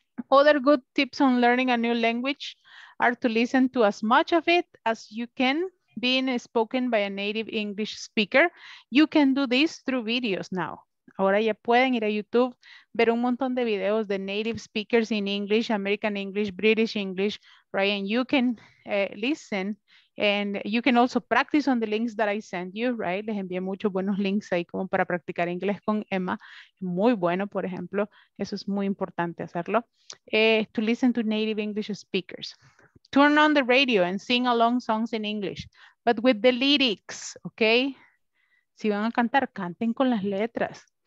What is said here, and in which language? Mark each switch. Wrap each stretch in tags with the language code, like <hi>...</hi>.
<en>Other good tips on learning a new language are to listen to as much of it as you can being spoken by a native English speaker. You can do this through videos now.</en> <es>Ahora ya pueden ir a YouTube, ver un montón de videos de</es> <en>native speakers in English, American English, British English, right? And you can listen and you can also practice on the links that I send you, right?</en> <es>Les envié muchos buenos links ahí como para practicar inglés con Emma. Muy bueno, por ejemplo. Eso es muy importante hacerlo.</es> <en>To listen to native English speakers. Turn on the radio and sing along songs in English, but with the lyrics, okay?</en> <es>Si van a cantar, canten con las letras.</es>